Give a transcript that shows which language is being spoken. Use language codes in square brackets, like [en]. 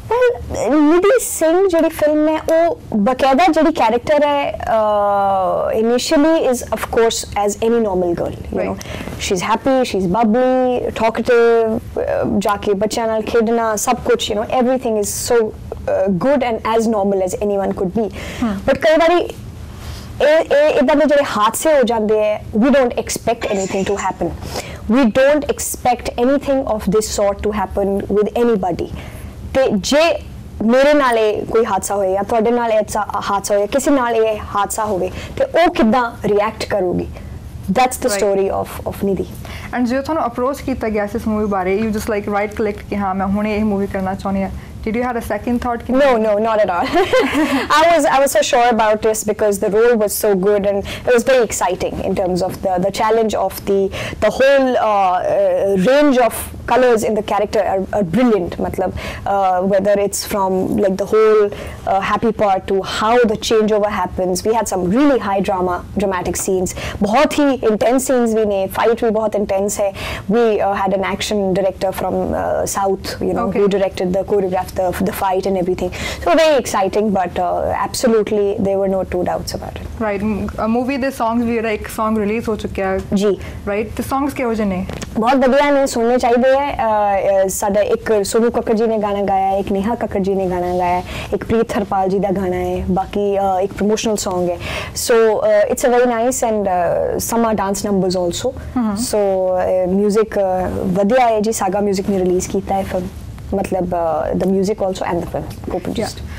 [en] Well, Needhi Singh [pa] jehdi film hai oh baqaida jehdi character hai [en] initially is of course as any normal girl, you right. know she's happy, she's bubbly, talkative, [pa] jaake bachchan naal khedna sab kuch, [en] you know everything is so good and as normal as anyone could be. Hmm. But [pa] kai bari ਇੱਦਾਂ ਦੇ ਜਿਹੜੇ ਹਾਦਸੇ ਹੋ ਜਾਂਦੇ ਹੈ, [en] We don't expect anything to happen, we don't expect anything of this sort to happen with anybody. [pa] ਅਤੇ ਜੇ ਮੇਰੇ ਨਾਲ ਇਹ ਕੋਈ ਹਾਦਸਾ ਹੋਏ ਜਾਂ ਤੁਹਾਡੇ ਨਾਲ ਇਹ ਹਾਦਸਾ ਹੋਏ, ਕਿਸੇ ਨਾਲ ਇਹ ਹਾਦਸਾ ਹੋਵੇ, ਤਾਂ ਉਹ ਕਿੱਦਾਂ ਰਿਐਕਟ ਕਰੂਗੀ? [en] That's the right. story of Needhi. [pa] And ਜੇ ਤੁਹਾਨੂੰ ਅਪਰੋਚ ਕੀਤਾ ਗਿਆ ਇਸ ਮੂਵੀ ਬਾਰੇ, [en] you just like right click [pa] ਕਿ ਹਾਂ ਮੈਂ ਹੁਣ ਇਹ ਮੂਵੀ ਕਰਨਾ ਚਾਹੁੰਦੀ ਹਾਂ, [en] did you have a second thought? No, not at all. I was so sure about this because the role was so good and it was very exciting in terms of the challenge of the whole range of colors in the character are brilliant, matlab whether it's from like the whole happy part to how the changeover happens. We had some really high drama, dramatic scenes, [pa] bahut hi intense scenes bhi ne, fight bhi bahut intense hai. [en] We had an action director from south, you know, okay. who directed the choreographed the fight and everything. So very exciting, but absolutely there were no two doubts about it. [pa] Right movie ਦੇ songs ਵੀ ਇੱਕ song release ਹੋ ਚੁੱਕਿਆ ਜੀ right ਤੇ songs ਕਿਹੋ ਜਿਹੇ ਨੇ ਬਹੁਤ ਵਧੀਆ ਨੇ ਸੁਣਨੇ ਚਾਹੀਦੇ ਹੈ ਸਾਡਾ ਇੱਕ ਸੋਨੂ ਕੱਕੜ ਜੀ ਨੇ ਗਾਣਾ ਗਾਇਆ ਇੱਕ ਨੇਹਾ ਕੱਕੜ ਜੀ ਨੇ ਗਾਣਾ ਗਾਇਆ ਇੱਕ ਪ੍ਰੀਤ ਹਰਪਾਲ ਜੀ ਦਾ ਗਾਣਾ ਹੈ ਬਾਕੀ ਇੱਕ ਪ੍ਰਮੋਸ਼ਨਲ ਸੌਂਗ ਹੈ [en] so it's a very nice and some are dance numbers also so [pa] music ਵਧੀਆ ਹੈ ਜੀ ਸਾਗਾ ਮਿਊਜ਼ਿਕ ਨੇ ਰਿਲੀਜ਼ ਕੀਤਾ ਹੈ ਫਿਲਮ ਮਤਲਬ [en] the music also and the film coproduced